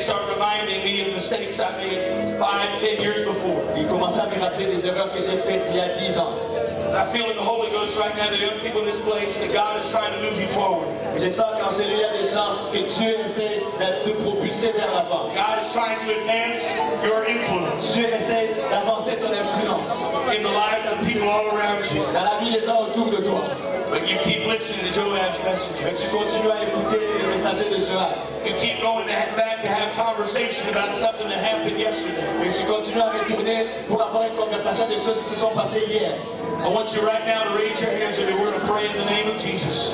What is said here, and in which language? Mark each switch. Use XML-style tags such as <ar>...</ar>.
<en>start reminding me of mistakes I made 5, 10 years before.</en> <fr>Il commençait à me rappeler des erreurs que j'ai faites il y a 10 ans.</fr> <en>I feel in the Holy Ghost right now, the young people in this place, that God is trying to move you forward.</en> <fr>Je sens qu'en ce lieu, il y a des gens que Dieu essaie de te propulser vers l'avant.</fr> <en>God is trying to advance your influence.</en> <fr>Dieu essaie d'avancer ton influence.</fr> <en>In the lives of people all around you.</en> <fr>Dans la vie des gens autour de toi.</fr> <en>But you keep listening to Joab's message.</en> <fr>Mais tu continues à écouter le messager de Joab.</fr> <en>You keep going back to have conversation about something that happened yesterday.</en> <fr>Mais tu continues à retourner pour avoir une conversation des choses qui se sont passées hier.</fr> <en>I want you right now to raise your hands and we're going to pray in the name of Jesus.</en>